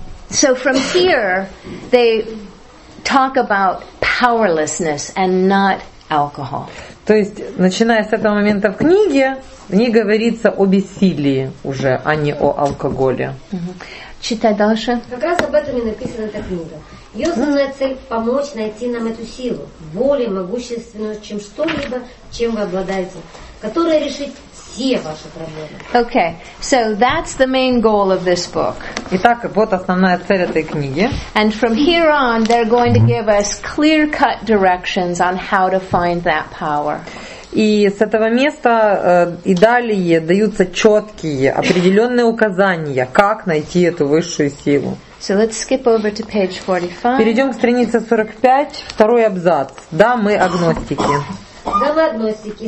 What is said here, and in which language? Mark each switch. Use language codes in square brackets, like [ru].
[en] So from here they talk about powerlessness and not alcohol. [ru] То есть, начиная с этого момента в книге, в ней говорится о бессилии уже, а не о алкоголе. Угу. Читай дальше. Как раз об этом и написана эта книга. Ее основная цель – помочь найти нам эту силу, более могущественную, чем что-либо, чем вы обладаете, которая решит все ваши проблемы. [en] Okay, so that's the main goal of this book. [ru] Итак, вот основная цель этой книги. [en] And from here on, they're going to give us clear-cut directions on how to find that power. [ru] И с этого места и далее даются четкие, определенные указания, как найти эту высшую силу. [en] So let's skip over to page 45. [ru] Перейдем к странице 45, второй абзац. Да, мы агностики. Да, мы агностики.